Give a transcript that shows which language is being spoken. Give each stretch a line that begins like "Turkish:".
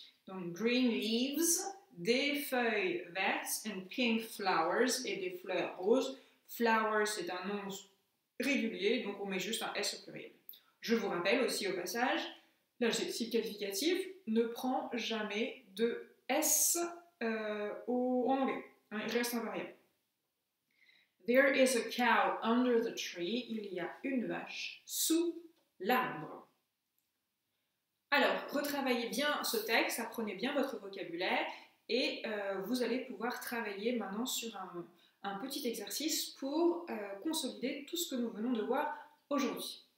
French: Donc,
English: green leaves,
French: des feuilles vertes,
English: and pink flowers,
French: et des fleurs roses. Flowers, c'est un nom régulier, donc on met juste un S au pluriel. Je vous rappelle aussi au passage, l'adjectif qualificatif ne prend jamais de S en anglais. Hein, il reste invariable.
English: There is a cow under the tree.
French: Il y a une vache sous l'arbre. Alors, retravaillez bien ce texte, apprenez bien votre vocabulaire et vous allez pouvoir travailler maintenant sur un petit exercice pour consolider tout ce que nous venons de voir aujourd'hui.